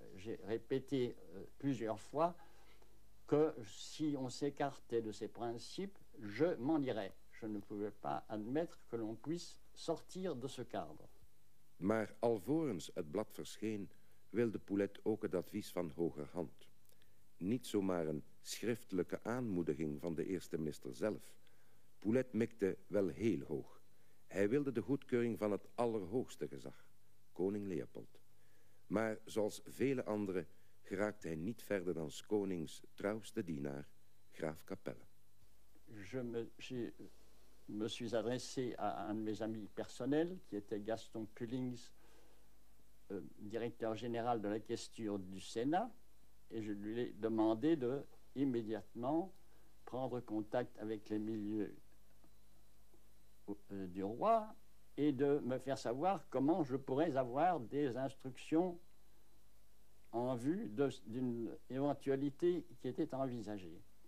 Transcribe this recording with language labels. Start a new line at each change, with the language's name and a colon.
French: Et j'ai répété plusieurs fois que si on s'écartait de ces principes, je m'en irais. Je ne pouvais pas admettre que l'on puisse sortir de ce cadre.
Dutch: Maar alvorens het blad verscheen, wilde Poulet ook het advies van hoger hand. Niet zomaar een schriftelijke aanmoediging van de eerste minister zelf. Poulet mikte wel heel hoog. Hij wilde de goedkeuring van het allerhoogste gezag, koning Leopold. Maar zoals vele anderen geraakte hij niet verder dan 's konings trouwste dienaar, graaf Capelle.
French: Je me suis adressé à un de mes amis personnels, qui était Gaston Pullings, directeur général de la questure du Sénat, et je lui ai demandé de immédiatement prendre contact avec les milieux du roi et de me faire savoir comment je pourrais avoir des instructions en vue d'une éventualité qui était envisagée.